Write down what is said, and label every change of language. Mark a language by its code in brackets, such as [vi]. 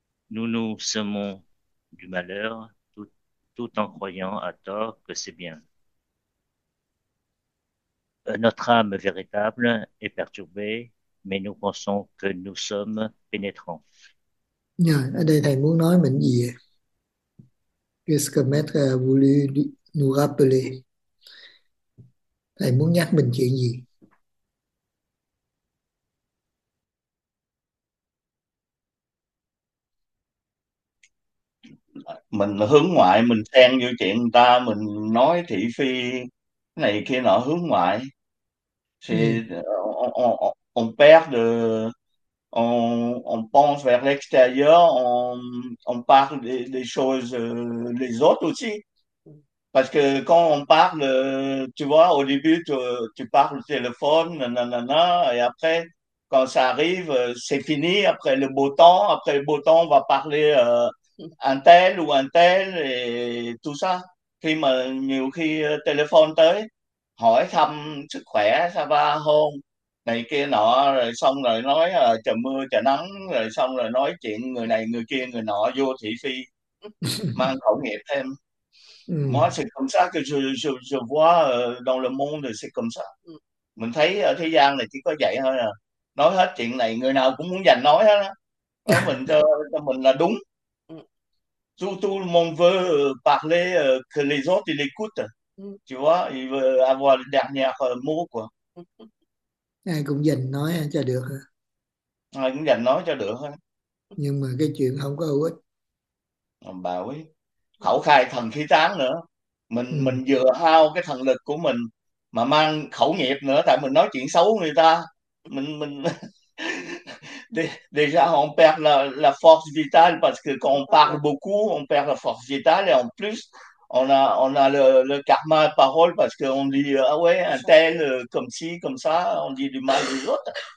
[fr] Nous nous semons du malheur tout en croyant à tort que c'est bien. Notre âme véritable est perturbée, mais nous pensons que nous sommes pénétrants. [vi] Yeah, ở đây thầy muốn nói mình gì? [fr] Qu'est-ce que maître a voulu nous rappeler? [vi] Thầy muốn nhắc mình chuyện gì? Hướng ngoại, mình xen vô chuyện người ta, mình nói thị phi này kia nọ hướng ngoại. [fr] Thì on perd de on pense vers l'extérieur, on parle des choses les autres aussi, parce que quand on parle, tu vois, au début tu parles au téléphone, nanana, et après quand ça arrive c'est fini, après le beau temps on va parler un tel ou un tel et tout ça. [vi] Khi mà nhiều khi téléphone tới hỏi thăm sức khỏe, sao va hôn này kia nọ, rồi xong rồi nói trời mưa trời nắng, rồi xong rồi nói chuyện người này người kia người nọ, vô thị phi mang khẩu nghiệp thêm. [fr] Moi c'est comme ça que je vois dans le monde, c'est comme ça. [vi] Mình thấy ở thế gian này chỉ có vậy thôi à, nói hết chuyện này người nào cũng muốn dành nói hết á, nói mình cho mình là đúng. [fr] Tout le monde veut parler que les autres ils écoutent. Tu vois, il veut avoir le dernier mot, quoi. [vi] Ai cũng dành nói cho được hả? Ai cũng dành nói cho được Nhưng mà cái chuyện không có hữu ích. thôi. Bà ấy khẩu khai thần khí tán nữa, mình vừa hao cái thần lực của mình mà mang khẩu nghiệp nữa, tại mình nói chuyện xấu người ta, mình [fr] déjà on perd la force vitale parce que quand on parle beaucoup, on perd la force vitale et en plus on a le karma de parole parce qu'on dit ah ouais, un tel comme ci, comme ça, on dit du mal des autres.